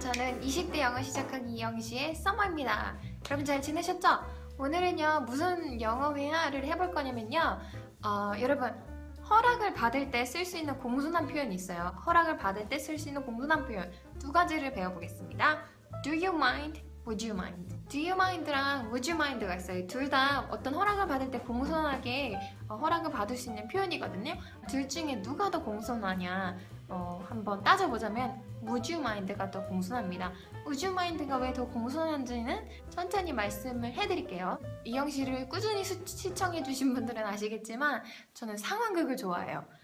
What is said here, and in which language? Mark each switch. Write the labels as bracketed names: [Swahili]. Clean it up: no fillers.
[Korean] 저는 20대 영어 시작하기 이영시의 써머입니다. 여러분 잘 지내셨죠? 오늘은요, 무슨 영어 회화를 해볼 거냐면요. 여러분, 허락을 받을 때 쓸 수 있는 공손한 표현이 있어요. 허락을 받을 때 쓸 수 있는 공손한 표현 두 가지를 배워보겠습니다. [English] Do you mind? Would you mind? Do you mind랑 would you mind가 [Korean] 있어요. 둘 다 어떤 허락을 받을 때 공손하게 허락을 받을 수 있는 표현이거든요. 둘 중에 누가 더 공손하냐 한번 따져보자면 [English] Would you mind [Korean] 가 더 공손합니다. [English] Would you mind [Korean] 가 왜 더 공손한지는 천천히 말씀을 해드릴게요. 이영 씨를 꾸준히 시청해주신 분들은 아시겠지만 저는 상황극을 좋아해요.